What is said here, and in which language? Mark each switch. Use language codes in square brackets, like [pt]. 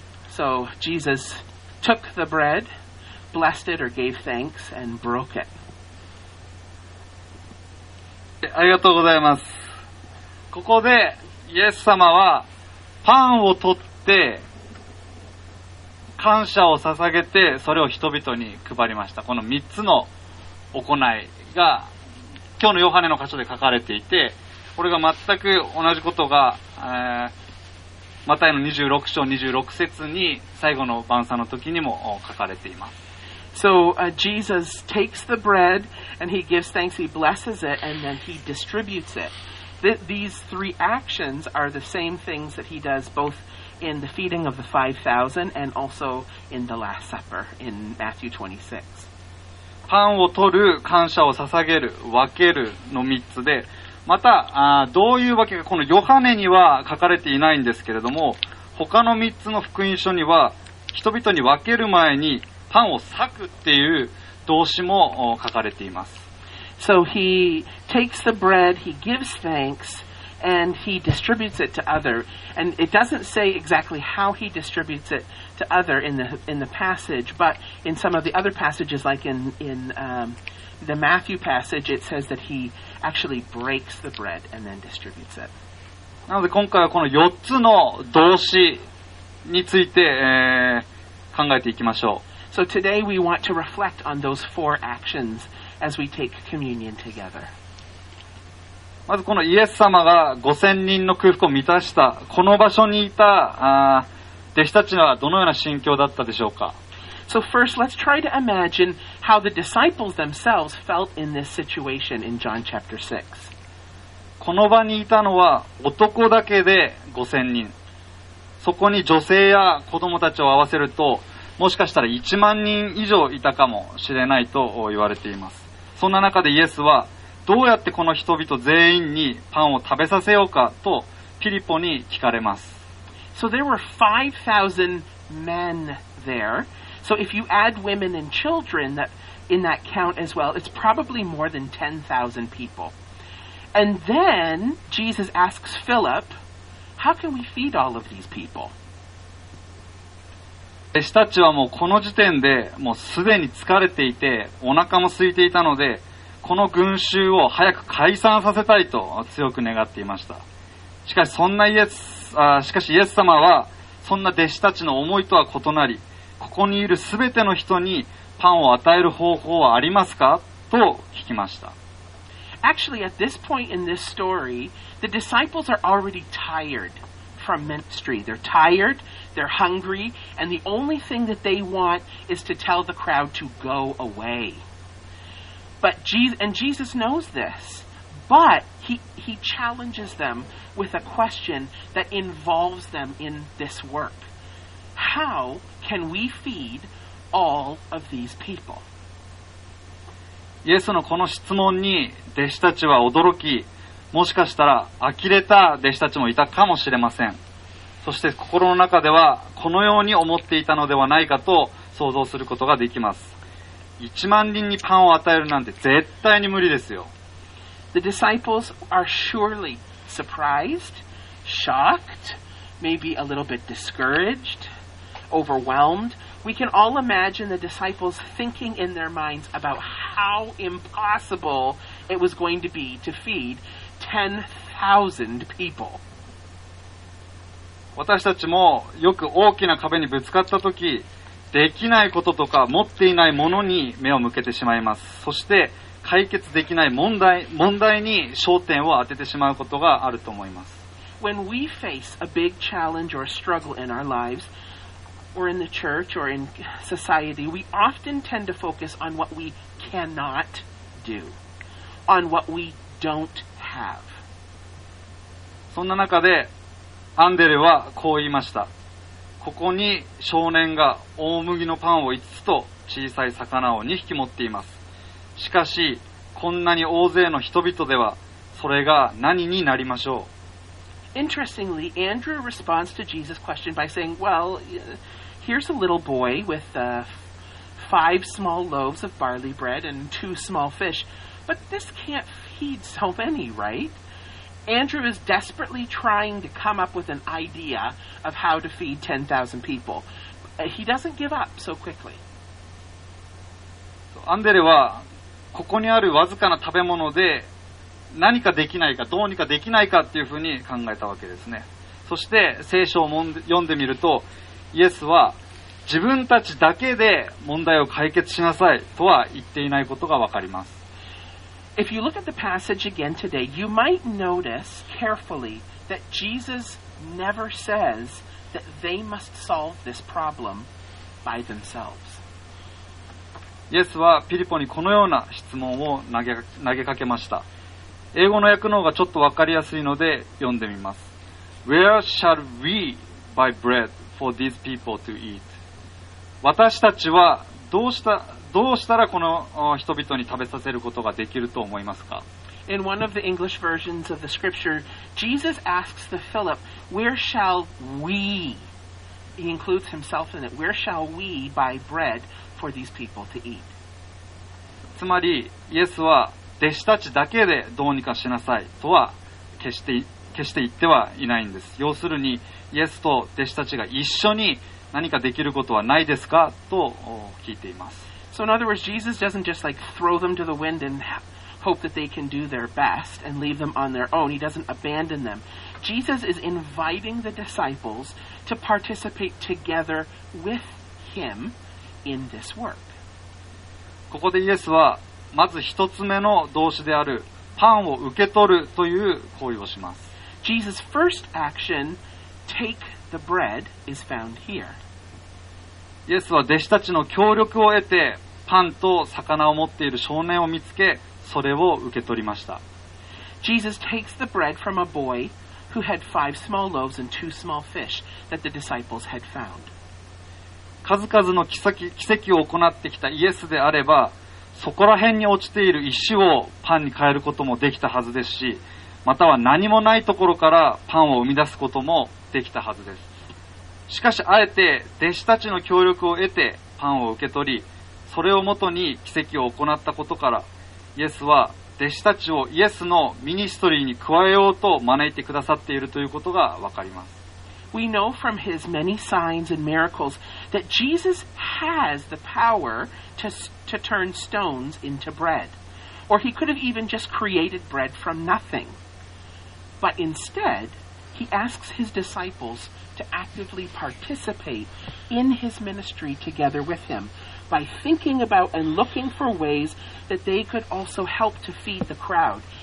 [en] So Jesus took the bread, blessed it or gave thanks and broke it. [ja] ありがとうございます。ここでイエス様はパンを取って感謝を捧げてそれを人々に配りました。この3つの行いが今日のヨハネの箇所で書かれていて、これが全く同じことが、マタイの26章26節に最後の晩餐の時にも書かれています。 [en] So、Jesus takes the bread and he gives thanks, he blesses it and then he distributes it. These three actions are the same things that he does bothin the feeding of the 5,000 and also in the Last Supper in Matthew 26. [ja] パンを取る、感謝を捧げる、分けるの3つで、またどういうわけかこのヨハネには書かれていないんですけれども、他の3つの福音書には人々に分ける前にパンを裂くっていう動詞も書かれています。 [en] So he takes the bread, he gives thanks,And he distributes it to other. And it doesn't say exactly how he distributes it to other in the passage, but in some of the other passages, like in the Matthew passage, it says that he actually breaks the bread and then distributes it. [ja] なので今回はこの4つの動詞について、考えていきましょう。 [en] So today we want to reflect on those four actions as we take communion together. [ja] まずこのイエス様が5000人の空腹を満たしたこの場所にいた弟子たちはどのような心境だったでしょうか。 [en] So first, let's try to imagine how the disciples themselves felt in this situation in John chapter 6. [ja] この場にいたのは男だけで5000人。そこに女性や子供たちを合わせるともしかしたら1万人以上いたかもしれないと言われています。そんな中でイエスはどうやってこの人々全員にパンを食べさせようかとピリポに聞かれます。 [en] So there were 5,000 men there. So if you add women and children that in that count as well, it's probably more than 10,000 people. And then Jesus asks Philip, how can we feed all of these people? [ja] 弟子たちはもうこの時点でもうすでに疲れていてお腹も空いていたので、この群衆を早く解散させたいと強く願っていました。しかしそんなイエス様はそんな弟子たちの思いとは異なり、ここにいるすべての人にパンを与える方法はありますかと聞きました。 [en] Actually at this point in this story the disciples are already tired from ministry. They're tired, they're hungry, and the only thing that they want is to tell the crowd to go awayBut Jesus knows this, but he challenges them with a question that involves them in this work. How can we feed all of these people? [ja] イエスのこの質問に弟子たちは驚き、もしかしたら呆れた弟子たちもいたかもしれません。そして心の中ではこのように思っていたのではないかと想像することができます。 1万人にパンを与えるなんて絶対に無理ですよ。 [en] The disciples are surely surprised, shocked, maybe a little bit discouraged, overwhelmed. We can all imagine the disciples thinking in their minds about how impossible it was going to be to feed 10,000 people. [ja] 私たちもよく大きな壁にぶつかったとき、できないこととか持っていないものに目を向けてしまいます。そして解決できない問題に焦点を当ててしまうことがあると思います。 [en] When we face a big challenge or struggle in our lives or in the church or in society, we often tend to focus on what we cannot do, on what we don't have. [ja] そんな中でアンデレはこう言いました。ここに少年が大麦のパンを5つと小さい魚を2匹持っています。しかし、こんなに大勢の人々ではそれが何になりましょう。 [en] Interestingly, Andrew responds to Jesus' question by saying, well, here's a little boy with five small loaves of barley bread and two small fish, but this can't feed so many, right? Andrew is desperately trying to come up with an idea of how to feed 10,000 people. He doesn't give up so quickly. [ja] アンデレはここにあるわずかな食べ物で何かできないかどうにかできないかっていうふうに考えたわけですね。そして聖書を読んでみるとイエスは自分たちだけで問題を解決しなさいとは言っていないことがわかります。 [en] If you look at the passage again today, you might notice carefully that Jesus never says that they must solve this problem by themselves. [ja] イエスはピリポにこのような質問を投げかけました。英語の訳の方がちょっとわかりやすいので読んでみます。 [en] Where shall we buy bread for these people to eat? [ja] 私たちはどうしたらこの人々に食べさせることができると思いますか? [en] In one of the English versions of the scripture, Jesus asks the Philip, Where shall we, he includes himself in it, where shall we buy bread for these people to eat? [ja] つまりイエスは弟子たちだけでどうにかしなさいとは決して言ってはいないんです。要するに、イエスと弟子たちが一緒に何かできることはないですかと聞いています。 [en] So in other words, Jesus doesn't just like throw them to the wind and hope that they can do their best and leave them on their own. He doesn't abandon them. Jesus is inviting the disciples to participate together with him in this work. [ja] ここでイエスはまず一つ目の動詞であるパンを受け取るという行為をします。 [en] Jesus' first action, take the bread, is found here. [ja] イエスは弟子たちの協力を得てパンと魚を持っている少年を見つけそれを受け取りました。 [en] Jesus takes the bread from a boy who had five small loaves and two small fish that the disciples had found. [ja] 数々の奇跡を行ってきたイエスであればそこら辺に落ちている石をパンに変えることもできたはずですし、または何もないところからパンを生み出すこともできたはずです。しかしあえて弟子たちの協力を得てパンを受け取り、それをもとに奇跡を行ったことから、イエスは弟子たちをイエスのミニストリーに加えようと招いてくださっているということがわかります。 [en] We know from his many signs and miracles that Jesus has the power to turn stones into bread. Or he could have even just created bread from nothing. But instead, he asks his disciples to actively participate in his ministry together with him by thinking about and looking for ways that they could also help to feed the crowd.